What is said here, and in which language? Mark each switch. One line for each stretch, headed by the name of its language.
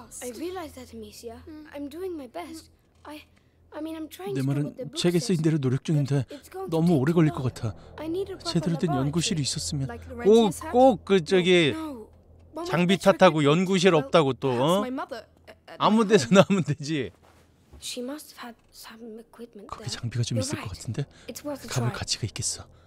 English: I realize that, Amicia. I'm doing my best. I mean, I'm trying.
Korean: 내 말은 책에 쓰인 대로 노력 중인데 너무 오래 걸릴 것 같아. 제대로 된 연구실이 있었으면. 꼭 꼭 그 저기 장비 탓하고 연구실 없다고 또 어? 아무 데서나 하면 되지.
English: She must have had some equipment.
Korean: 거기 장비가 좀 있을 것 같은데 가볼 가치가 있겠어.